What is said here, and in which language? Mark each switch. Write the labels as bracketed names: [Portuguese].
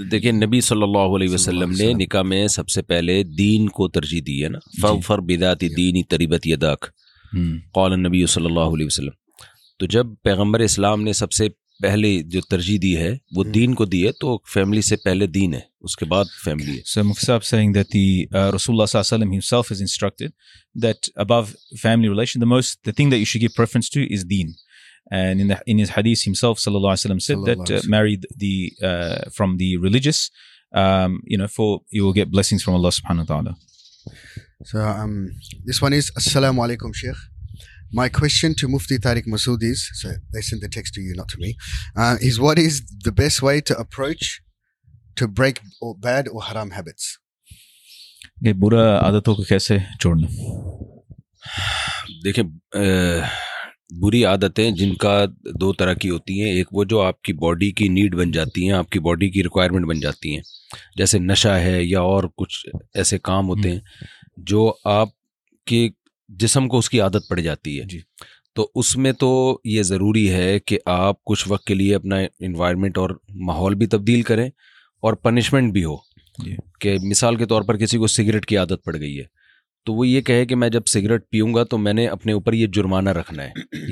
[Urdu] دیکھیں نبی صلی اللہ علیہ وسلم نے نکاح میں سب سے پہلے دین کو ترجیح دی ہے نا، [Arabic] فَغْفَرْ بِذَاتِ دِينِ تَرِبَتْ يَدَاكَ قَالَ النَّبِيُّ [Urdu] صلی اللہ علیہ وسلم. تو جب پیغمبر اسلام نے سب سے پہلے جو ترجیح دی ہے وہ دین کو دی ہے، تو فیملی سے پہلے دین ہے، اس کے بعد فیملی ہے. [English] So Mufti Sahab saying that the رسول اللہ صلی اللہ علیہ وسلم himself is instructed that above family relation the most the thing that you should give preference to is deen. And in his hadith himself صلی اللہ علیہ وسلم said that marry the from the religious you know for you will get blessings from Allah subhanahu wa ta'ala. So this one is assalamu alaikum sheikh. My question to Mufti Tariq Masood is, so they sent the text to you, not to me, is what is the best way to approach to break or bad or haram habits? [Urdu] ye bura aadaton ko kaise chhodna? dekhiye buri aadatein jinka do tarah ki hoti hain, ek wo jo aapki body ki need ban jati hain, aapki body ki requirement ban jati hain, jaise nasha hai ya aur kuch aise kaam hote hain jo aapke جسم کو اس کی عادت پڑ جاتی ہے جی. تو اس میں تو یہ ضروری ہے کہ آپ کچھ وقت کے لیے اپنا انوائرمنٹ اور ماحول بھی تبدیل کریں اور پنشمنٹ بھی ہو جی. کہ مثال کے طور پر کسی کو سگریٹ کی عادت پڑ گئی ہے تو وہ یہ کہے کہ میں جب سگریٹ پیوں گا تو میں نے اپنے اوپر یہ جرمانہ رکھنا ہے جی.